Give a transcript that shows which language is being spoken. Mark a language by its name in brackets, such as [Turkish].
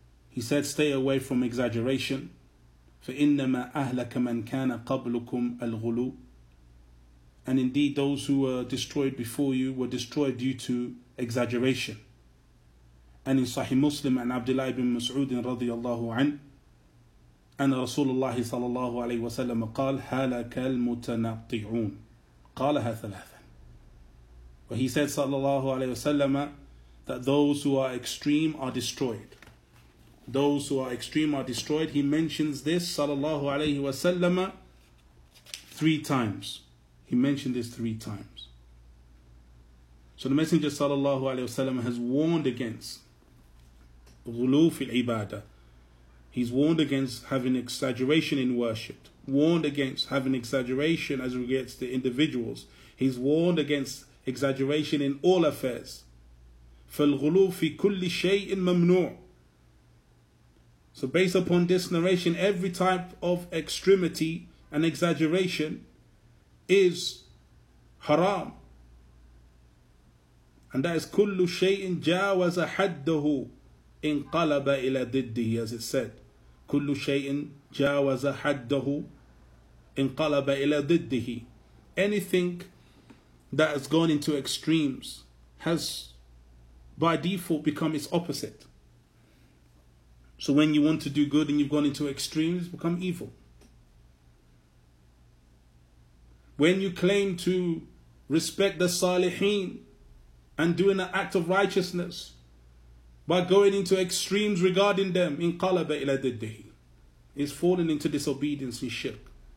[English] He said, stay away from exaggeration. [Arabic] فَإِنَّمَا أَهْلَكَ مَنْ كَانَ قَبْلُكُمْ الْغُلُوْ. [English] And indeed, those who were destroyed before you were destroyed due to exaggeration. And in Sahih Muslim, and Abdullah ibn Mas'ud radiyallahu anhu, [Arabic] أن رسول الله صلى الله عليه وسلم قال هلك المتنطعون قالها ثلاثا. [English] وهي said صلى الله عليه وسلم that those who are extreme are destroyed. Those who are extreme are destroyed. He mentions this صلى الله عليه وسلم three times. He mentioned this three times. So the Messenger صلى الله عليه وسلم has warned against [Arabic] غلو في العبادة. [English] He's warned against having exaggeration in worship, warned against having exaggeration as regards to individuals. He's warned against exaggeration in all affairs. [Arabic] فَالْغُلُو فِي كُلِّ شَيْءٍ مَمْنُوعٍ. [English] So based upon this narration, every type of extremity and exaggeration is haram. And that is [Arabic] كُلُّ شَيْءٍ جَاوَزَ حَدَّهُ إِنْقَلَبَ إِلَى دِدِّهِ, [English] as it said. [Arabic] كل شيء جاوز حده انقلب إلى ضده. [English] Anything that has gone into extremes has by default become its opposite. So when you want to do good and you've gone into extremes, become evil. When you claim to respect the Salihin and doing an act of righteousness, by going into extremes regarding them, [Arabic] انقلب إلى ضده, [English] is falling into disobedience and shirk.